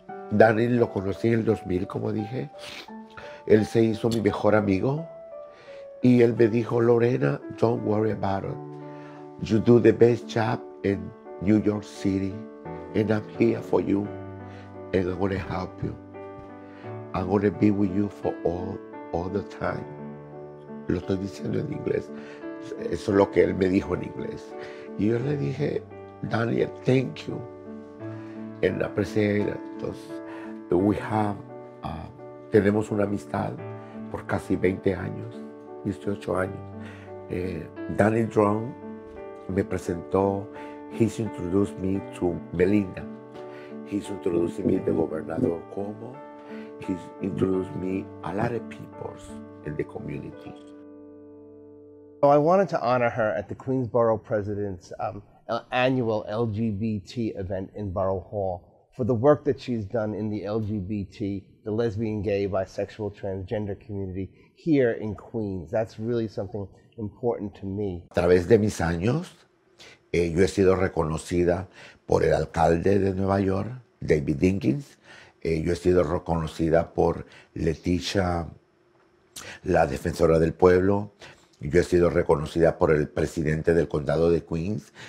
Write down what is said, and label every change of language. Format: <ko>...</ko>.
<es>Daniel lo conocí en el 2000, como dije. Él se hizo mi mejor amigo. Y él me dijo, Lorena,</es> <en>don't worry about it. You do the best job in New York City. And I'm here for you. And I'm going to help you. I'm going to be with you for all the time.</en> <es>Lo estoy diciendo en inglés. Eso es lo que él me dijo en inglés. Y yo le dije,</es> <en>Daniel, thank you. And I appreciate it.</en> <es>Entonces,</es> <en>we have,</en> <es>tenemos una amistad por casi 20 años, 18 años.</es> <en>Danny Drum</en> <es>me presentó,</es> <en>he's introduced me to Melinda. He's introduced me to the Gobernador Cuomo. He's introduced me a lot of people in the community. So I wanted to honor her at the Queensboro President's annual LGBT event in Borough Hall, for the work that she's done in the LGBT, the lesbian, gay, bisexual, transgender community here in Queens. That's really something important to me.</en> <es>A través de mis años, yo he sido reconocida por el alcalde de Nueva York, David Dinkins. Yo he sido reconocida por Leticia, la defensora del pueblo. Yo he sido reconocida por el presidente del condado de Queens.</es>